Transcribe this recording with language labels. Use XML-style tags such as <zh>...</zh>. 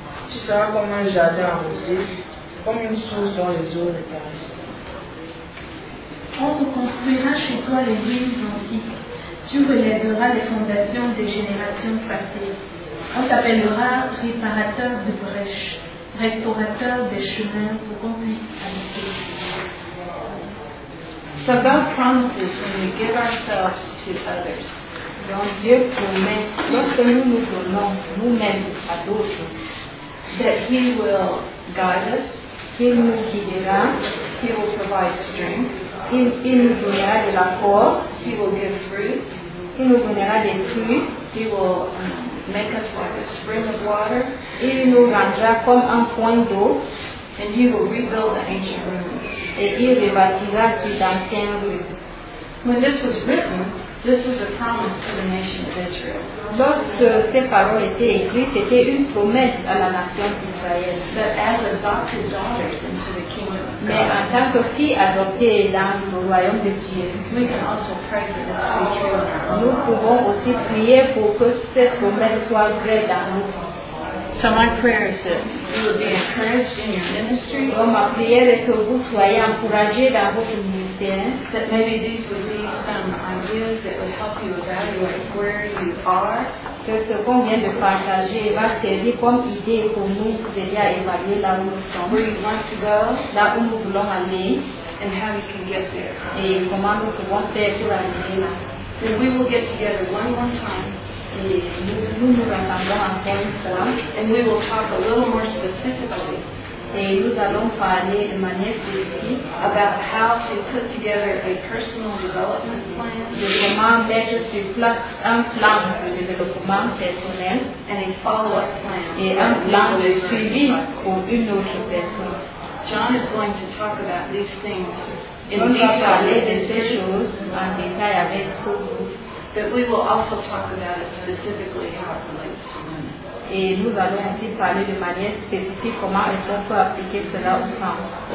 <fr>Tu seras comme un jardin arrosé, comme une source dans les eaux de ta vie. On reconstruira chez toi les ruines antiques. Tu relèveras les fondations des générations passées. On t'appellera réparateur de brèches, restaurateur des chemins pour qu'on puisse habiter.</fr> <en>So God promises when we give ourselves to others.</en> <fr>Donc Dieu promet lorsque nous nous donnons nous-mêmes à d'autres,</fr> <en>that He will guide us.</en> <fr>Qu'il nous guidera.</fr> <en>He will provide strength.</en> <fr>Il nous donnera de la force.</fr> <en>He will give fruit.</en> <fr>Il nous donnera des fruits.</fr> <en>He will make us like a spring of water.</en> <fr>Il nous rendra comme un point d'eau.</fr> <en>And He will rebuild the ancient ruins.</en> <fr>Et il rebâtira ses anciennes rues.</fr> <en>When this was written, this was a promise to the nation of Israel.</en> <fr>Lorsque ces paroles étaient écrites, c'était une promesse à la nation d'Israël.</fr> <en>That as adopted daughters into the kingdom of God.</en> <fr>Mais en tant que filles adoptées dans le royaume de Dieu,</fr> <en>we can also pray for this future.</en> <fr>Nous pouvons aussi prier pour que cette promesse soit vraie dans nous.</fr> <en>So my prayer is that you would be encouraged in your ministry.</en> <fr>Oh, ma prière est que vous soyez encouragé dans votre ministère.</fr> <en>That maybe these would be some ideas that would help you evaluate where you are.</en> <fr>Que ce qu'on vient de partager va servir comme idée pour nous aider à évaluer là où nous sommes.</fr> <en>Where you want to go.</en> <fr>Là où nous voulons aller.</fr> <en>And how you can get there.</en> <fr>Et comment nous pouvons faire pour arriver là.</fr> <en>Then we will get together one more time. And we will talk a little more specifically about how to put together a personal development plan and a follow-up plan. John is going to talk about these things in detail. But we will also talk about it specifically how it relates to women.</en> <fr>Et nous allons aussi parler de manière spécifique comment est-ce qu'on peut appliquer cela aux femmes.</fr>